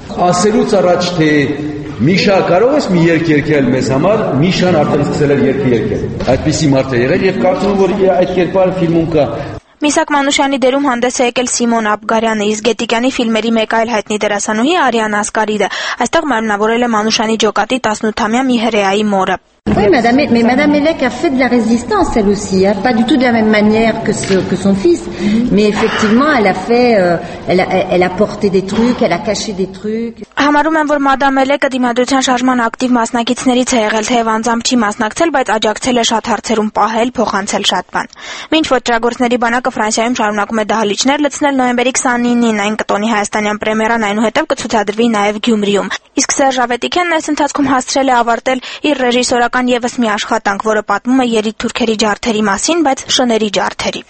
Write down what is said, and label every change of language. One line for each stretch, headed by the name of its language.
Armenian: ասելուց առաջ, թե Միշա, կարող ես մի երգ երգել մեզ համար, Միշան արդեն սկսել էր երգ երգել։ Այդպիսի մարդ է եղել և կարծում եմ, որ այդ կերպար ֆիլմում կա։ Միսակ Մանուշյանի դերում հանդես է եկել Սիմոն Աբգարյանը, իսկ Գետիկյանի ֆիլմերի մեկ այլ հայտնի դերասանուհի Արիան Ասկարիդը, այստեղ մարմնավորել է Մանուշյանի ջոկատի 18-ամյա մի հրեայի մորը։
French: Oui, madame, mais madame Elec a fait de la résistance, elle aussi, hein, pas du tout de la même manière que ce, que son fils, mais effectivement, elle a fait, elle a porté des trucs, elle a caché des trucs.
Armenian: Համարում եմ, որ մադամ Էլեկը դիմադրության շարժման ակտիվ մասնակիցներից է եղել, թեև անձամբ չի մասնակցել, բայց աջակցել է շատ հարցերում, պահել, փոխանցել շատ բան։ Մինչ ոճրագործների բանակը Ֆրանսիայում շարունակում է դահլիճներ լցնել, նոյեմբերի 29-ին այն կտոնի հայաստանյան պրեմիերան, այնուհետև կցուցադրվի նաև Գյումրիում։ Իսկ Սերժ Ավետիքյանն այս ընթացքում հաստրել է ավարտել իր ռեժիսորական եւս մի աշխատանք, որը պատմում է երիտ թուրքերի ջարդերի մասին, բայց շների ջարդերի։